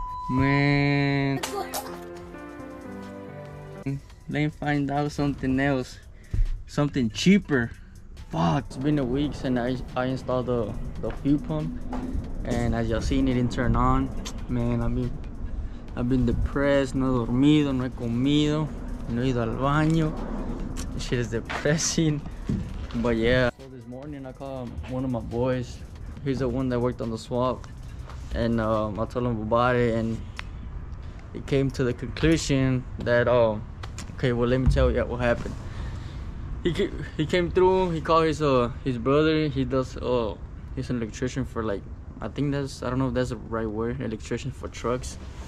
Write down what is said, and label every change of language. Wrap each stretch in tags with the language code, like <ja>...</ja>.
<en>Man. Let me find out something else, something cheaper. Fuck, it's been a week since I installed the fuel pump, and as y'all seen, it didn't turn on. Man, I've been depressed.</en> <es>No he dormido, no he comido, no he ido al baño.</es> <en>Shit is depressing, but yeah. So this morning I called one of my boys. He's the one that worked on the swap, and I told him about it, and he came to the conclusion that okay, well, let me tell you what happened. He came through. He called his brother. He does he's an electrician for like, I don't know if that's the right word, electrician for trucks.</en>